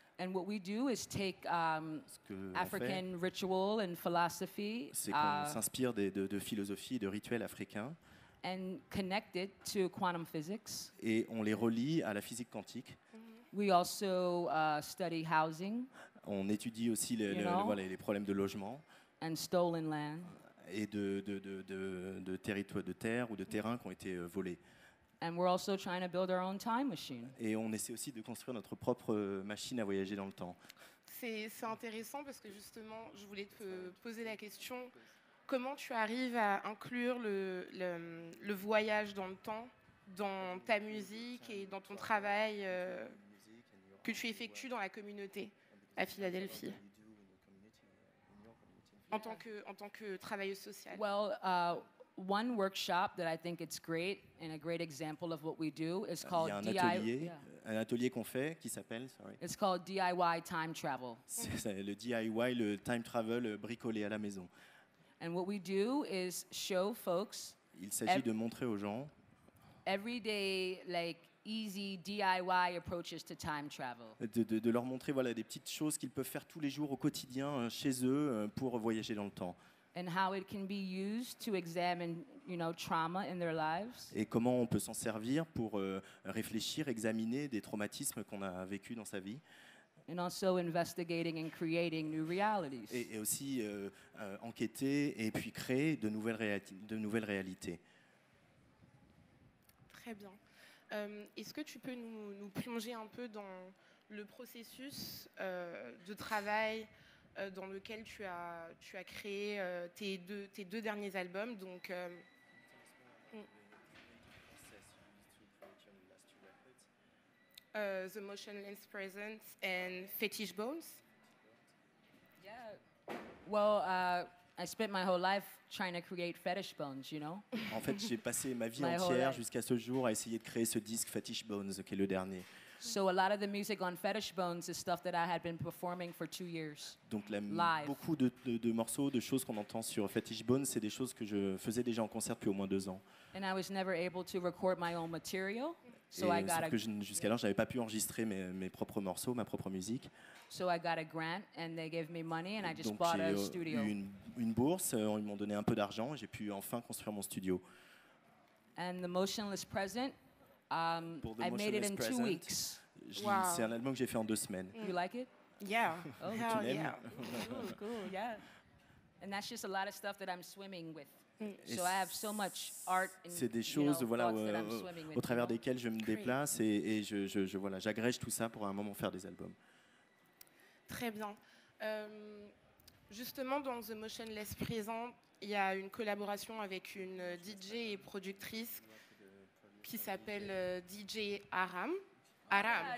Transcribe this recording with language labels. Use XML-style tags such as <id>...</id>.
<en>And what we do is take African ritual and philosophy.</en> <fr>C'est qu'on s'inspire de philosophie, de rituels africains.</fr> <en>And connect it to quantum physics.</en> <fr>Et on les relie à la physique quantique.</fr> <en>We also study housing.</en> <fr>On étudie aussi les problèmes de logement.</fr> <en>And stolen land.</en> <fr>Et de territoires de terre ou de terrains qui ont été volés.</fr> <en>And we're also trying to build our own time machine.</en> <fr>Et on essaie aussi de construire notre propre machine à voyager dans le temps. C'est intéressant parce que justement, je voulais te poser la question, comment tu arrives à inclure le voyage dans le temps dans ta musique et dans ton travail que tu effectues dans la communauté à Philadelphie en tant que travailleuse sociale.</fr> <en>Well, one workshop that I think it's great and a great example of what we do is called DIY.</en> <fr>Un atelier qu'on fait qui s'appelle,</fr> <en>It's called DIY time travel.</en> <fr>C'est le DIY, le time travel bricolé à la maison.</fr> <en>And what we do is show folks.</en> <fr>Il s'agit de montrer aux gens.</fr> <en>Everyday, like easy DIY approaches to time travel.</en> <fr>De leur montrer voilà des petites choses qu'ils peuvent faire tous les jours au quotidien chez eux pour voyager dans le temps.</fr> <en>And how it can be used to examine, you know, trauma in their lives.</en> <fr>Et comment on peut s'en servir pour réfléchir, examiner des traumatismes qu'on a vécu dans sa vie.</fr> <en>And also investigating and creating new realities.</en> <fr>Et aussi enquêter et puis créer de nouvelles réalités. Très bien. Est-ce que tu peux nous plonger un peu dans le processus de travail dans lequel tu as créé tes deux derniers albums, donc.</fr> <en>The Motionless Presence and Fetish Bones. Yeah. Well, I spent my whole life trying to create Fetish Bones, you know.</en> <fr>En fait, j'ai passé ma vie entière jusqu'à ce jour à essayer de créer ce disque Fetish Bones, qui est le dernier.</fr> <en>So a lot of the music on Fetish Bones is stuff that I had been performing for 2 years.</en> <fr>Donc beaucoup de morceaux, de choses qu'on entend sur Fetish Bones, c'est des choses que je faisais déjà en concert depuis au moins 2 ans.</fr> <en>And I was never able to record my own material. So</en> <fr>et</fr> <en>I got</en> <fr>que jusqu'alors, j'avais pas pu enregistrer mes propres morceaux, ma propre musique.</fr> <en>So I got a grant and they gave me money and I just</en> <fr>donc</fr> <en>bought a studio.</en> <fr>J'ai eu une bourse, ils m'ont donné un peu d'argent, j'ai pu enfin construire mon studio.</fr> <en>And The Motionless Present, I made it in 2 weeks. Wow.</en> <fr>C'est un album que j'ai fait en 2 semaines.</fr> <en>You like it? Yeah. Oh, hell yeah. Cool, yeah. And that's just a lot of stuff that I'm swimming with. So I have so much art and,</en> <fr>c'est des choses,</fr> <en>you know,</en> <fr>voilà, au travers desquelles je me déplace et je voilà, j'agrège tout ça pour à un moment faire des albums. Très bien. Justement, dans The Motionless Present, il y a une collaboration avec une DJ et productrice qui s'appelle DJ Haram. Haram.</fr>